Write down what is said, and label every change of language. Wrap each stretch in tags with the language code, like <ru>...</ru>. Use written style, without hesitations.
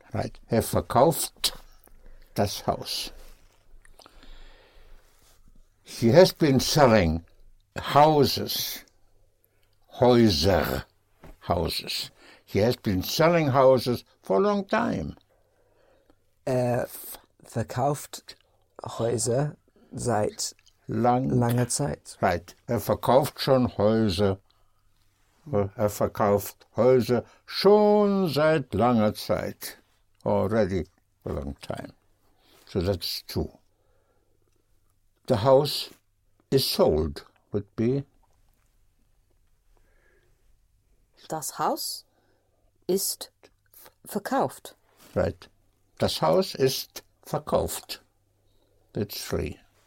<de>Right. Verkauft das Haus.</de> <en>He has been selling houses. He has been selling houses for a long time.</en> <de>Verkauft Häuser seit langer Zeit. Right. Verkauft schon Häuser. Verkauft Häuser schon seit langer Zeit.</de> <en>Already a long time. So that's two. The house is sold, would be?</en> <de>Das Haus ist verkauft. Right. Das Haus ist verkauft.</de> <en>That's three.</en>